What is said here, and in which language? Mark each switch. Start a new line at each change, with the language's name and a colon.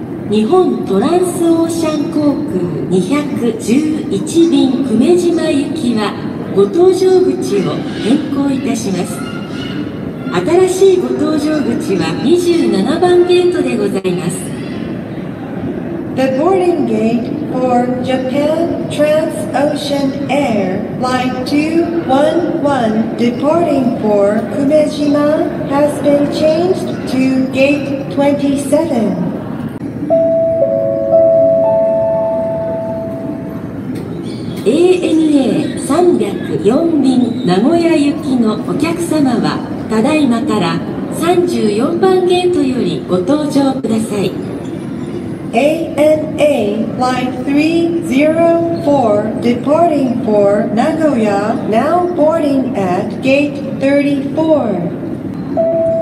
Japanese: 日本トランスオーシャン航空211便久米島行きはご搭乗口を変更いたします。新しいご搭乗口は27番ゲートでございます。
English: The boarding gate for Japan Transocean Air Flight 211 departing for 久米島 has been changed to gate 27.
Japanese: ANA 304便名古屋行きのお客様はただいまから34番ゲートよりご搭乗ください。
English: ANA Flight 304 Departing for 名古屋 Now boarding at gate 34